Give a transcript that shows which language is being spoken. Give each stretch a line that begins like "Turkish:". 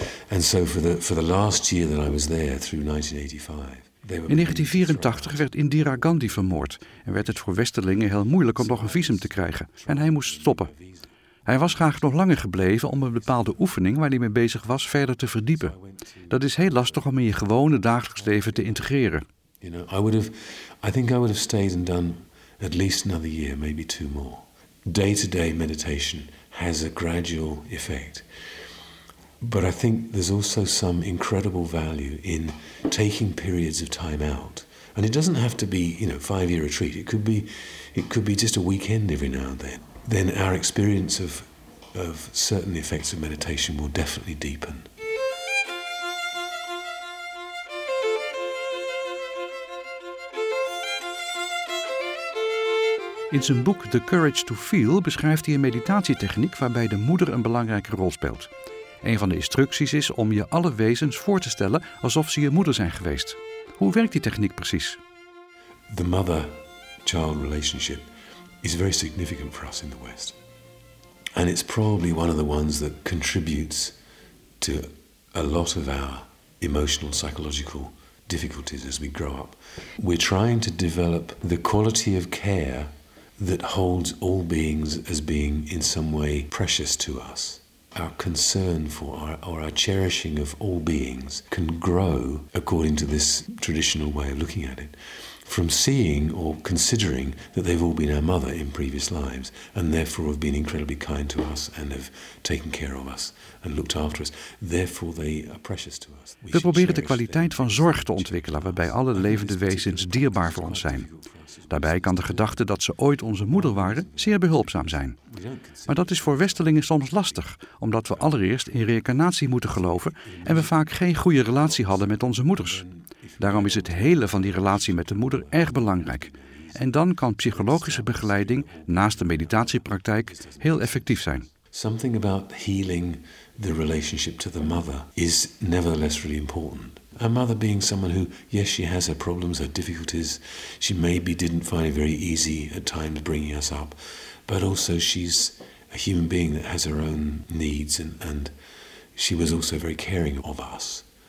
English: And so for the last year that I was there through 1985.
Dutch: In 1984 werd Indira Gandhi vermoord en werd het voor westerlingen heel moeilijk om nog een visum te krijgen en hij moest stoppen. Hij was graag nog langer gebleven om een bepaalde oefening waar hij mee bezig was verder te verdiepen. Dat is heel lastig om in je gewone dagelijks leven te integreren.
English: You know, I think I would have stayed and done at least another year, maybe two more. Day-to-day meditation has a gradual effect. But I think there's also some incredible value in taking periods of time out. And it doesn't have to be, you know, 5-year retreat. It could be just a weekend every now and then. Then our experience of certain effects of meditation will definitely deepen.
Dutch: In zijn boek The Courage to Feel beschrijft hij een meditatietechniek waarbij de moeder een belangrijke rol speelt. Een van de instructies is om je alle wezens voor te stellen alsof ze je moeder zijn geweest. Hoe werkt die techniek precies?
English: The mother-child relationship is very significant for us in the West. And it's probably one of the ones that contributes to a lot of our emotional, psychological difficulties as we grow up. We're trying to develop the quality of care that holds all beings as being in some way precious to us. Our concern for our cherishing of all beings can grow according to this traditional way of looking at it, from seeing or considering that they've all been our mother in previous lives and therefore have been incredibly kind to us and have taken care of us and looked after us. Therefore, they are precious to us.
Dutch: We proberen de kwaliteit van zorg te ontwikkelen waarbij alle levende wezens dierbaar voor ons zijn. Daarbij kan de gedachte dat ze ooit onze moeder waren zeer behulpzaam zijn. Maar dat is voor westerlingen soms lastig, omdat we allereerst in reïncarnatie moeten geloven en we vaak geen goede relatie hadden met onze moeders. Daarom is het helen van die relatie met de moeder erg belangrijk. En dan kan psychologische begeleiding naast de meditatiepraktijk heel effectief zijn.
English: Something about healing the relationship to the mother is nevertheless really important. A mother being someone who, yes, she has her problems, her difficulties. She maybe didn't find it very easy at times bringing us up. But also she's a human being that has her own needs and she was also very caring of us.